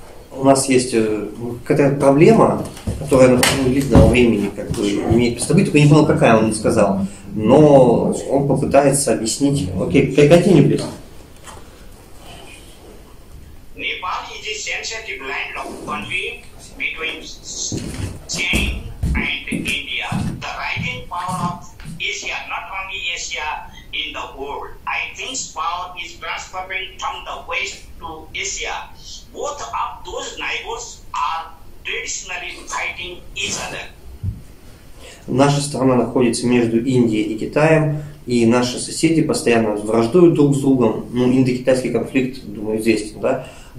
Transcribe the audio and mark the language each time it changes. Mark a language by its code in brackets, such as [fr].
[ru] У нас есть какая-то проблема, которая на самом деле длительного времени как бы имеет место быть, только не понял, какая, он не сказал. Но он попытается объяснить. Окей, [en] continue, please. Nepal is a sensitive landlocked country between India, the rising power of Asia, not only Asia, in the world. I think power is transferring from the West to Asia. Both of those neighbors are traditionally fighting each other. [ru] Наша страна находится между Индией и Китаем, и наши соседи постоянно враждуют друг с другом. Ну, индо-китайский конфликт, думаю, известен, да?